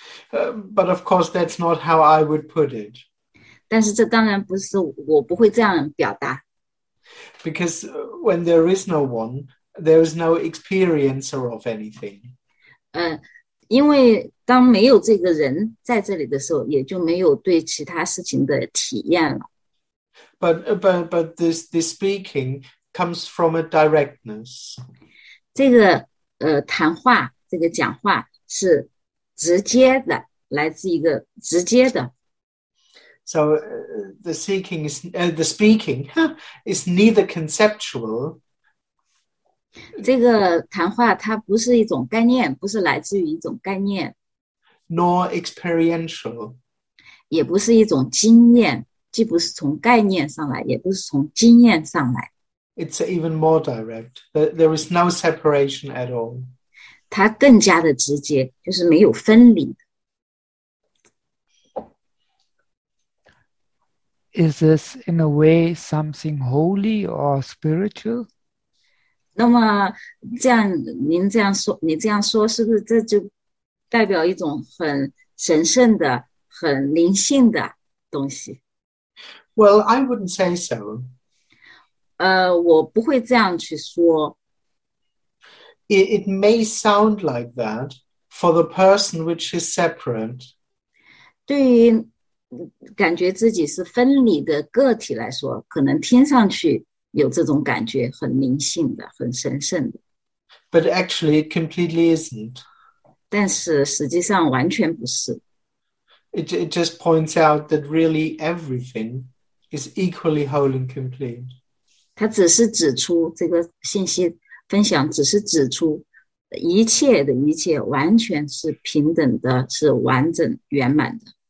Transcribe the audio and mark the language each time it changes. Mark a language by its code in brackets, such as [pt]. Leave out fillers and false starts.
[en] But of course, that's not how I would put it. [zh] 但是这当然不是，我不会这样表达。 [en] Because when there is no one, there is no experiencer of anything. [zh] 因为当没有这个人在这里的时候，也就没有对其他事情的体验了。 [en] But this speaking comes from a directness. [zh] 这个谈话，这个讲话是直接的，来自一个直接的。 [en] So the speaking is neither conceptual. [zh] 这个谈话它不是一种概念，不是来自于一种概念。 [en] Nor experiential. [zh] 也不是一种经验，既不是从概念上来，也不是从经验上来。 [en] It's even more direct. There is no separation at all. [zh] 它更加的直接，就是没有分离。 [en] Is this in a way something holy or spiritual? [zh] 那么这样您这样说，你这样说是不是这就代表一种很神圣的、很灵性的东西？ [en] Well, I wouldn't say so. [zh] 我不会这样去说。 [en] It may sound like that for the person which is separate. [zh] 对于感觉自己是分离的个体来说，可能听上去有这种感觉，很灵性的，很神圣的。 [en] But actually, it completely isn't. [zh] 但是实际上完全不是。 [en] It just points out that really everything is equally whole and complete. [zh] 它只是指出这个信息分享，只是指出一切的一切完全是平等的，是完整圆满的。